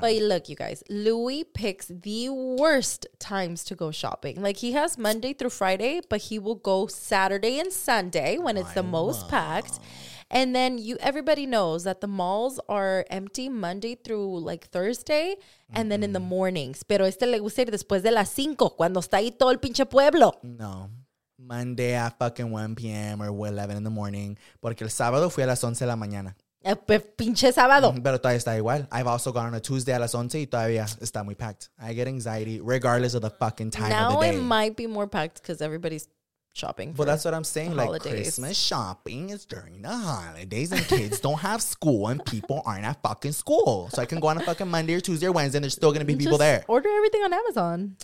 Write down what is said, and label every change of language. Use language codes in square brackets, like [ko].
[en] But look, you guys, Louis picks the worst times to go shopping. Like he has Monday through Friday, but he will go Saturday and Sunday when it's the most packed. And then everybody knows that the malls are empty Monday through like Thursday. And then in the mornings. [es] Pero este le gusta ir después de las cinco, cuando está ahí todo el pinche pueblo. [en] No. Monday at fucking 1 p.m. or 11 in the morning. [es] Porque el sábado fui a las 11 de la mañana. Pinche sábado. Pero todavía está igual. I've also gone on a Tuesday a las 11 y todavía está muy packed. [en] I get anxiety regardless of the fucking time now of the day. Now it might be more packed because everybody's shopping. But that's what I'm saying. Like Christmas shopping is during the holidays and kids don't have school and people aren't at fucking school. So I can go on a fucking Monday or Tuesday or Wednesday and there's still going to be people there. Order everything on Amazon.